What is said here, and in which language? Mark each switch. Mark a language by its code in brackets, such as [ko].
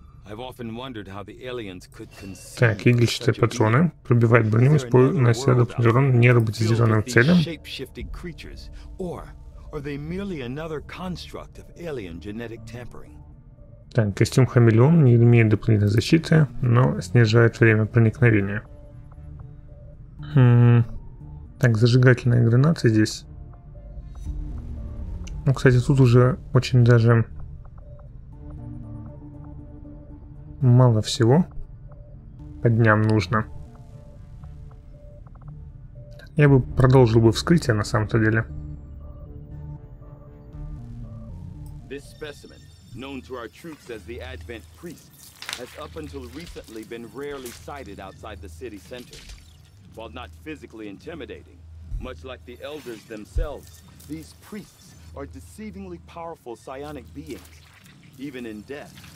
[en] I've often wondered how the aliens could conceive. [ru] Так, игольчатые патроны пробивают броню, используя дополнительный нероботизированным целям. [en] Shape-shifting creatures, or are they merely another construct of alien genetic tampering? [ru] Так, костюм хамелеон не имеет дополнительной защиты, но снижает время проникновения. Так, зажигательная граната здесь. Ну, кстати, тут уже очень даже мало всего по дням нужно. Я бы продолжил бы вскрытие на самом-то деле. [en] This specimen, known to our troops as the Advent Priest, has up until recently been rarely sighted outside the city center. While not physically intimidating, much like the elders themselves, these priests are deceivingly powerful psionic beings, even in death.